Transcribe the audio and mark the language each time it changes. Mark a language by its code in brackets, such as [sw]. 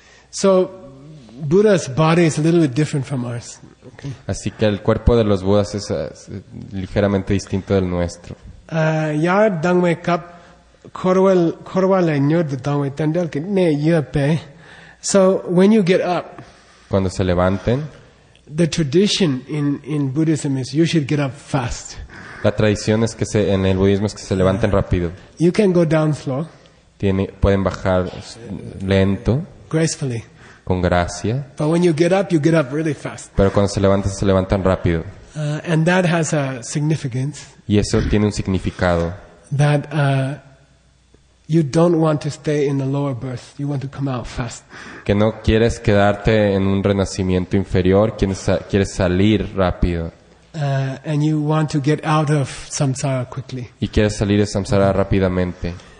[en] So Buddha's body is a little bit different from ours. Okay. [es] Así que el cuerpo de los Budas es ligeramente distinto del nuestro. [bo] Yar dangwe kap korwal la nyod de dangwe tandel ke ne yepe. [en] So when you get up, [es] cuando se levanten, [en] the tradition in Buddhism is you should get up fast. [es] La tradición es que se en el budismo es que se levanten rápido. [en] You can go down slow. [es] Pueden bajar lento. [en] Gracefully. [es] Con gracia. [en] But when you get up really fast. [es] Pero cuando se levantan rápido. [en] And that has a significance. [es] Y eso tiene un significado. [en] That you don't want to stay in the lower birth. You want to come out fast. [es] Que no quieres quedarte en un renacimiento inferior, quieres salir rápido. [en] And you want to get out of samsara quickly. [es] Y quieres salir de samsara rápidamente.